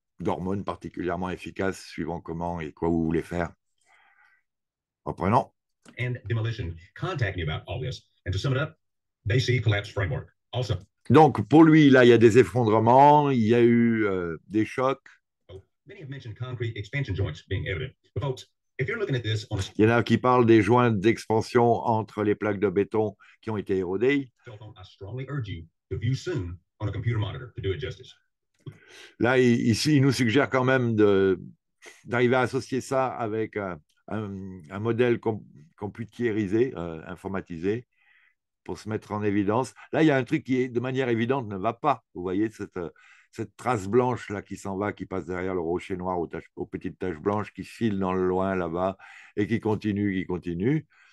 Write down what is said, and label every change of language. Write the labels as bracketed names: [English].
[French] D'hormones particulièrement efficaces suivant comment et quoi vous voulez faire. Reprenons. [English] And demolition contact me about all this. And to sum it up, they see collapse framework. Awesome. [French] Donc, pour lui, là, il y a des effondrements, il y a eu des chocs. [English] Many have mentioned concrete expansion joints being evident. But folks, if you're looking at this on a... [French] Il y en a qui parlent des joints d'expansion entre les plaques de béton qui ont été érodées. [English] I strongly urge you to view soon on a computer monitor to do it justice. [French] Là, il nous suggère quand même d'arriver à associer ça avec un modèle computérisé, informatisé, pour se mettre en évidence. Là, il y a un truc qui, de manière évidente, ne va pas. Vous voyez cette trace blanche là qui s'en va, qui passe derrière le rocher noir aux petites taches blanches, qui file dans le loin là-bas et qui continue.